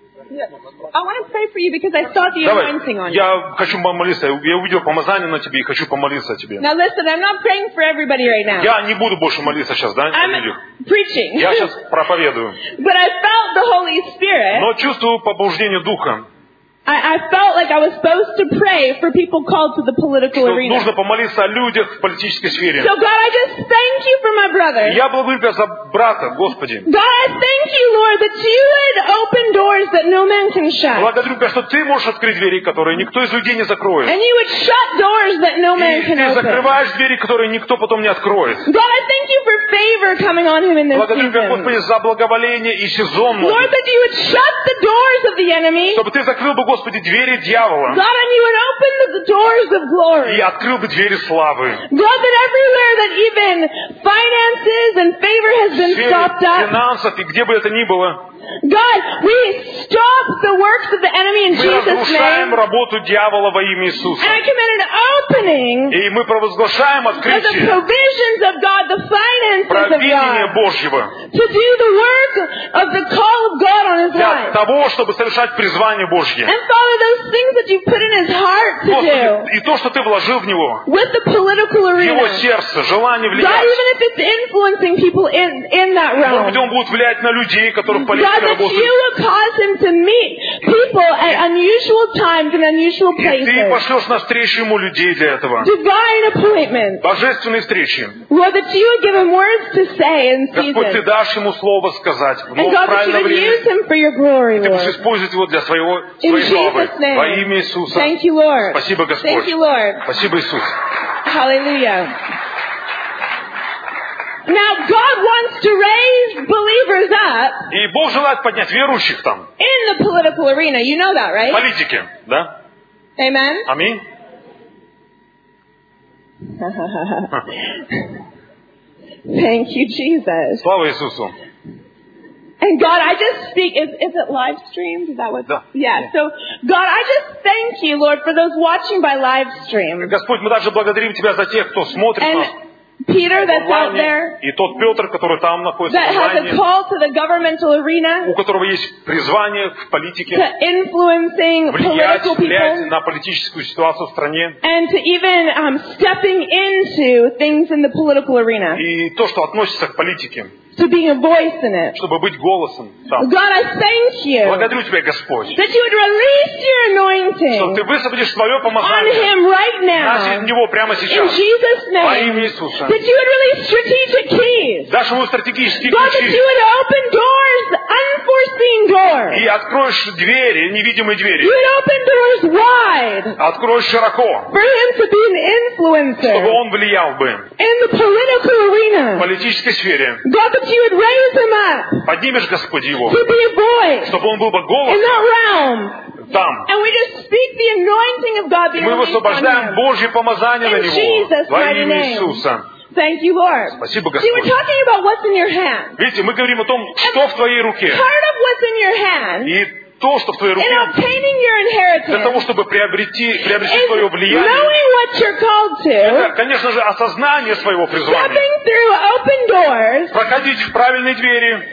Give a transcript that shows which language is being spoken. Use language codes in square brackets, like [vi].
[en] Yeah. I want to pray for you because I saw the anointing on you. [ru] Я хочу помолиться. Я увидел помазание на тебе и хочу помолиться о тебе. [en] Now listen, I'm not praying for everybody right now. [ru] Я не буду больше молиться сейчас, да? [en] I'm preaching. [ru] Я сейчас проповедую. [en] But I felt the Holy Spirit. [ru] Но чувствую побуждение Духа. [en] I felt like I was supposed to pray for people called to the political arena. [ru] Нужно помолиться о людях в политической сфере. [en] So God, I just thank you for my brother. [ru] Я благодарю тебя за брата, Господи. [en] God, I thank you, Lord, that you would open doors that no man can shut. [ru] Благодарю тебя, что ты можешь открыть двери, которые никто из людей не закроет. [en] And you would shut doors that no man can open. [ru] И ты закрываешь двери, которые никто потом не откроет. [en] God, I thank you for favor coming on him in this season. [ru] Благодарю тебя, Господи, за благоволение и сезон. [en] Lord, that you would shut the doors of the enemy. [ru] Чтобы ты закрыл бы, Господи, двери дьявола. [en] God, and you would open the doors of glory. [ru] И открыл бы двери славы. [en] God, that everywhere that even finances and favor has been stopped up. [ru] Финансов и где бы это ни было. [en] God, we stop the works of the enemy in Jesus' name. [ru] Мы разрушаем работу дьявола во имя Иисуса. [en] And I command an opening. [ru] И мы провозглашаем открытие. [en] The provisions of God, the finances of God. [ru] Провидение Божьего. [en] To do the work of the call of God on His life. [ru] Для того, чтобы совершать призвание Божье. [en] And Father, those things that you put in His heart to [ru] Господи, [en] do. [ru] И то, что ты вложил в него. [en] With the political arena. [ru] Его сердце, желание влиять. [en] God, even if it's influencing people in that realm. [ru] Может быть, он будет влиять на людей, которые политики. [en] God, that you will cause him to meet people at unusual times and unusual places. [ru] Ты пошлёшь навстречу ему людей для этого. [en] Divine appointment. [ru] Божественные встречи. [en] Lord, that you will give him words to say in season. [ru] Господь, ты дашь ему слово сказать в нужное время. [en] And God, that you will use him for your glory, Lord. [ru] Ты будешь использовать его для своего славы. [en] In Jesus' name. [ru] Во имя Иисуса. [en] Thank you, Lord. [ru] Спасибо, Господь. [en] Thank you, Lord. [ru] Спасибо, Иисус. [en] Hallelujah. Now God wants to raise believers up. [ru] И Бог желает поднять верующих там. [en] In the political arena, you know that, right? [ru] В политике, да? [en] Amen. [ru] Аминь. [en] Thank you, Jesus. [ru] Слава Иисусу. [en] And God, I just speak. Is it live streamed? Is that what? [ru] Да. [en] Yeah. So, God, I just thank you, Lord, for those watching by live stream. [ru] Господь, мы также благодарим тебя за тех, кто смотрит [en] and [ru] нас. [en] Peter that's out there. [ru] И тот Пётр, который там находится. [en] That has a call to the governmental arena. [ru] У которого есть призвание в политике. [en] To influencing political people. [ru] Влиять на политическую ситуацию в стране. [en] And to even stepping into things in the political arena. [ru] И то, что относится к политике. [en] To being a voice in it. [ru] Чтобы быть голосом там. [en] God, I thank you. [ru] Благодарю тебя, Господь. [en] That you would release your anointing. [ru] Что ты высвободишь свое помазание. [en] On him right now. [ru] На него прямо сейчас. [en] In Jesus' name. [ru] Во имя Иисуса. [en] That you would release strategic keys. [ru] Дашь ему стратегические [en] God, [ru] ключи. [en] God, that you would open doors, unforeseen doors. [ru] И откроешь двери, невидимые двери. [en] You would open doors wide. [ru] Откроешь широко. [en] For him to be an influencer. [ru] Чтобы он влиял бы. [en] In the political arena. [ru] В политической сфере. [en] God, that you would raise him up. [ru] Поднимешь, Господи, его. [en] To be a voice. [ru] Чтобы он был бы голос. [en] In that realm. [ru] Там. [en] And we just speak the anointing of God being released on him. [ru] Мы высвобождаем Божье помазание на него. [en] In Jesus' mighty name. [ru] Во имя Иисуса. [en] Thank you, Lord. [ru] Спасибо, Господь. [en] See, we're talking about what's in your hand. [ru] Видите, мы говорим о том, что в твоей руке. [en] Part of what's in your hand. [ru] И то, что в твоей руке. [en] In obtaining your inheritance. [ru] Для того, чтобы приобрести твое влияние. [en] Knowing what you're called to. [ru] Это, конечно же, осознание своего призвания. [en] Stepping through open doors. [ru] Проходить в правильные двери.